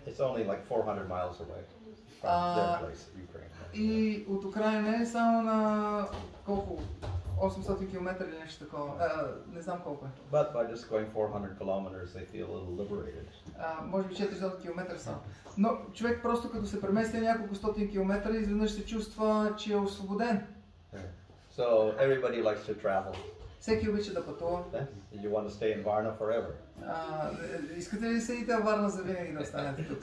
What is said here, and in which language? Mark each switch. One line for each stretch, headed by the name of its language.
English: It's only like 400 miles away from their place, Ukraine.
Bulgarian: И от Украина е само на колко? 800 км или нещо такова. Не знам колко е.
English: But by just going 400 kilometers, they feel a little liberated.
Bulgarian: Може би 400 км само. Но човек просто като се премести няколко стотин километра, изведнъж се чувства, че е освободен.
English: So everybody likes to travel.
Bulgarian: Всеки обича да пътува.
English: Yeah. You want to stay in Varna forever.
Bulgarian: Искате ли да седите в Варна за винаги да останете тук?